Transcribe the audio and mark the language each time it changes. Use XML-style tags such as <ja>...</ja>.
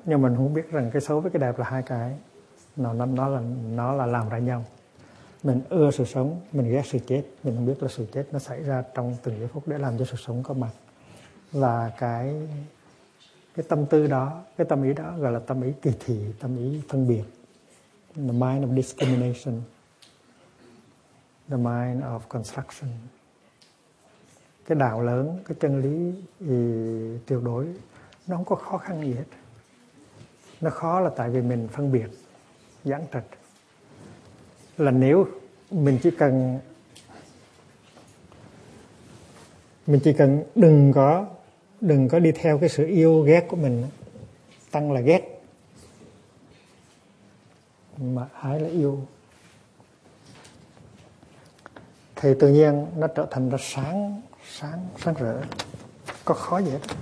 <vi>Nhưng mình không biết rằng cái xấu với cái đẹp là hai cái. Nó là làm ra nhau. Mình ưa sự sống, mình ghét sự chết. Mình không biết là sự chết nó xảy ra trong từng giây phút để làm cho sự sống có mặt. Và cái tâm tư đó, cái tâm ý đó gọi là tâm ý kỳ thị, tâm ý phân biệt.</vi> <en>The mind of discrimination, the mind of construction.</en> <vi>Cái đạo lớn, cái chân lý tuyệt đối, nó không có khó khăn gì hết. Nó khó là tại vì mình phân biệt, giáng trạch. Là nếu mình chỉ cần đừng có đi theo cái sự yêu ghét của mình, tăng là ghét, mà ái là yêu, thì tự nhiên nó trở thành ra sáng rỡ, có khó gì hết.</vi>